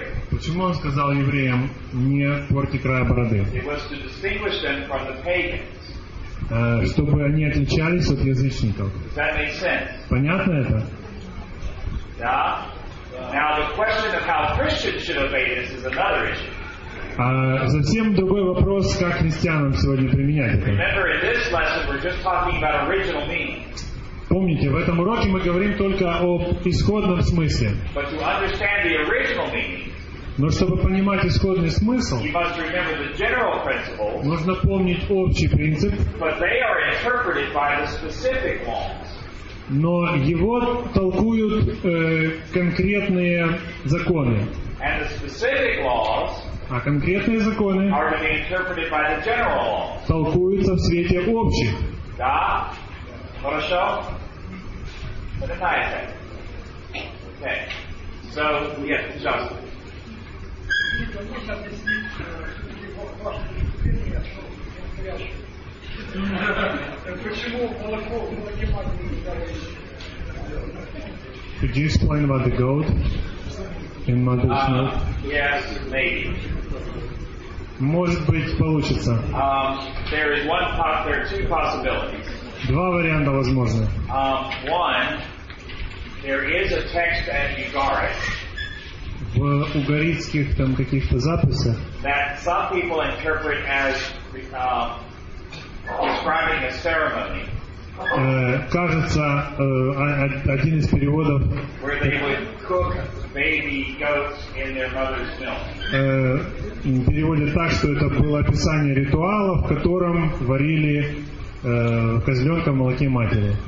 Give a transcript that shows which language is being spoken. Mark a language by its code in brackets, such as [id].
[ru] Почему он сказал евреям не порти края бороды? Чтобы они отличались от язычников. Понятно это? Да. [en] Now the question of how Christians should obey this is another issue. [ru] Совсем другой вопрос, как христианам сегодня применять это. [en] Remember, in this lesson we're just talking about original meaning. [ru] Помните, в этом уроке мы говорим только об исходном смысле. [en] But to understand the original meaning, [ru] но чтобы понимать исходный смысл, [en] you must remember the general principles, [ru] нужно помнить общий принцип, [en] but they are interpreted by the specific ones. [ru] Но его толкуют конкретные законы. [en] And the specific laws, [ru] а конкретные законы [en] are to be interpreted by the general laws. [ru] Толкуются в свете общих. Да? Хорошо? Подытайте. [en] Okay. So, yes, Justin. [ru] Почему молоко в молоке матери? [en] Could you explain about the goat in mother's milk? Yes, maybe. [ru] Может быть, получится. [en] There is one pot, there are two possibilities. [ru] Два варианта возможны. [en] One, there is a text at Ugarit. [ru] В угаритских там каких-то записях. [en] That some people interpret as describing a ceremony. [ru] Кажется, один из переводов. [en] Where they would cook baby goats in their mother's milk. [ru] Переводят так, что это было описание ритуала, в котором варили козленка в молоке матери.